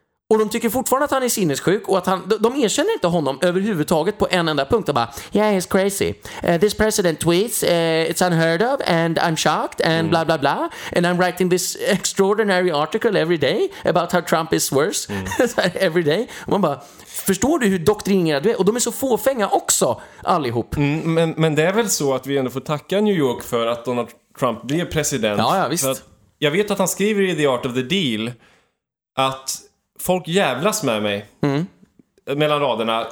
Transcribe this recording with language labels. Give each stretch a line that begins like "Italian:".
Swedish: Och de tycker fortfarande att han är sinnessjuk och att han, de erkänner inte honom överhuvudtaget på en enda punkt. De bara,
English: yeah, he's crazy. This president tweets, it's unheard of and I'm shocked and blah, blah, blah. And I'm writing this extraordinary article every day about how Trump is worse every day.
Swedish: Och man bara, förstår du hur doktrinerad du är? Och de är så fåfänga också, allihop. Mm, men det är väl så att vi ändå får tacka New York för att Donald Trump blir president. Ja, visst. För att jag vet att han skriver i The Art of the Deal att folk jävlas med mig mellan raderna.